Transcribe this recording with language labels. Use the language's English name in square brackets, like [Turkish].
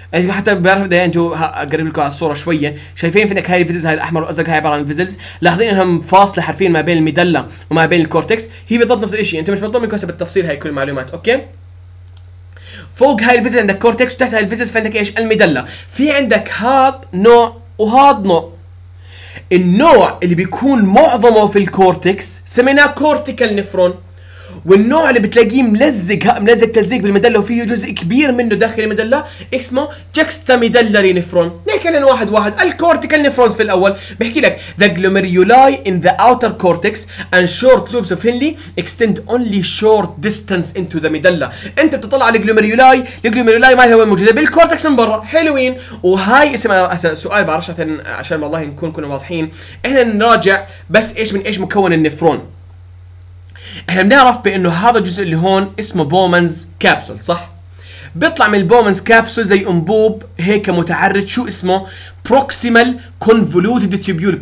[Arabic] حتى بعرف ده انتوا اقرب لكم على الصوره شويه، شايفين في عندك هاي الفيزلز هاي الاحمر والازرق هاي عباره عن الفيزلز، لاحظين انهم فاصله حرفيا ما بين الميدلا وما بين الكورتكس، هي بالضبط نفس الشيء، انت مش مطلوب منك هسه بالتفصيل هاي كل المعلومات، اوكي؟ فوق هاي الفيزلز عندك كورتكس وتحت هاي الفيزلز في عندك ايش؟ الميدلا، في عندك هاد نوع وهاد نوع. النوع اللي بيكون معظمه في الكورتكس سميناه كورتيكال نفرون، والنوع اللي بتلاقيه ملزق ملزق تلزيق بالمدلة وفيه جزء كبير منه داخل المدلة اسمه جكستا ميدلري نيفرون. نحكي لنا واحد واحد. الكورتيكال نيفرونز في الأول بحكي لك [English] the glomeruli in the outer cortex and short loops of Henle extend only short distance into the medulla. [Arabic] أنت بتطلع على الجلوميرولاي. الجلوميرولاي ما هي وين موجودة؟ بالكورتكس من برا. حلوين. وهاي اسمها سؤال بعرفش عشان والله نكون كنا واضحين. إحنا نراجع بس إيش من إيش مكون النيفرون. احنا بنعرف بانه هذا الجزء اللي هون اسمه بومنز كابسول صح؟ بيطلع من البومنز كابسول زي انبوب هيك متعرج شو اسمه؟ بروكسيمال كونفولوتد تيبيول.